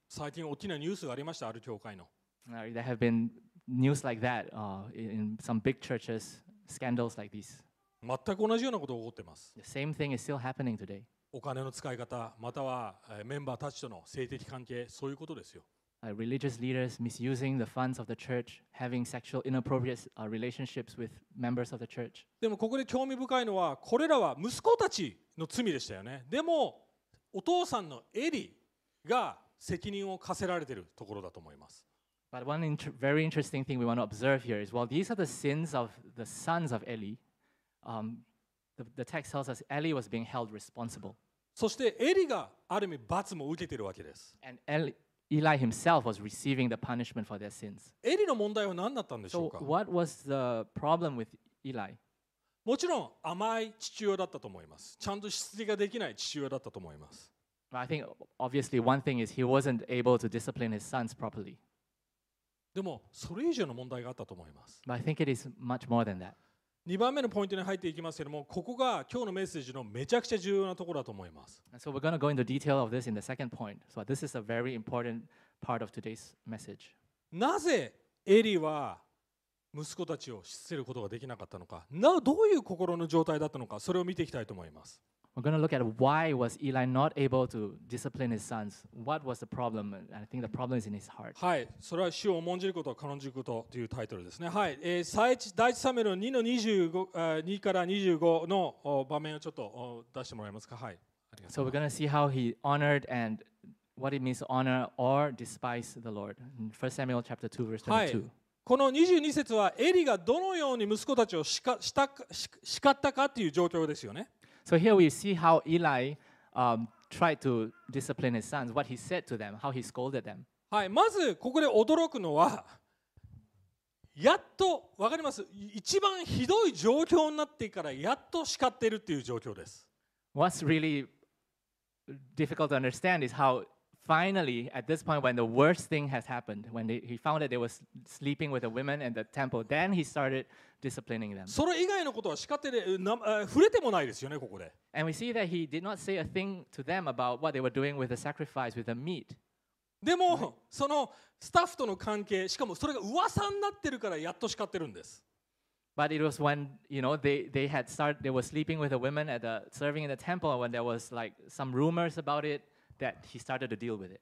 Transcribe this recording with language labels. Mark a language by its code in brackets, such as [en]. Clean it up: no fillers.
[ja] 最近大きなニュースがありました、ある教会の。 [en] There have been news like that in some big churches. Scandals like these. [ja] 全く同じようなことが起こってます。 [en] The same thing is still happening today. [ja] お金の使い方、またはメンバーたちとの性的関係、そういうことですよ。 [en] Religious leaders misusing the funds of the church, having sexual inappropriate relationships with members of the church. [ja] でもここで興味深いのは、これらは息子たちの罪でしたよね。でもお父さんのエリが責任を課せられているところだと思います。 [en] But one very interesting thing we want to observe here is, well, these are the sins of the sons of Eli. The text tells us Eli was being held responsible. [ja] そしてエリがある意味罰も受けているわけです。 [en] And Eli himself was receiving the punishment for their sins. [ja] エリの問題は何だったんでしょうか? [en] So what was the problem with Eli? [ja] もちろん甘い父親だったと思います。ちゃんとしつけができない父親だったと思います。 [en] But I think obviously one thing is he wasn't able to discipline his sons properly. [ja] でもそれ以上の問題があったと思います。 [en] But I think it is much more than that. [ja] 2番目のポイントに入っていきますけども、ここが今日のメッセージのめちゃくちゃ重要なところだと思います。 [en] So we're going to go into detail of this in the second point. So this is a very important part of today's message. [ja] なぜエリは息子たちを失せることができなかったのか、なおどういう心の状態だったのか、それを見ていきたいと思います。 [en] We're going to look at why was Eli not able to discipline his sons. What was the problem? I think the problem is in his heart. [ja] はい、それは主を重んじることを軽んじることというタイトルですね。はい、第1サムエル2:25の場面をちょっと出してもらえますか。はい。 [en] So we're going to see how he honored and what it means to honor or despise the Lord. 1 Samuel chapter 2 verse 22. [ja] この22節はエリがどのように息子たちを叱ったかという状況ですよね。 [en] So here we see how Eli, tried to discipline his sons, what he said to them, how he scolded them. [ja] はい、まずここで驚くのは、やっと、わかります、一番ひどい状況になってからやっと叱ってるっていう状況です。 [en] What's really difficult to understand is howFinally, at this point, when the worst thing has happened, when he found that they were sleeping with the women in the temple, then he started disciplining them. [ja] それ以外のことは叱ってで、触れてもないですよね、ここで。 [en] And we see that he did not say a thing to them about what they were doing with the sacrifice, with the meat. [ja] でも、そのスタッフとの関係、しかもそれが噂になってるからやっと叱ってるんです。 [en] But it was when, you know, they were sleeping with the women at the serving in the temple, when there was like some rumors about it. That he started to deal with it.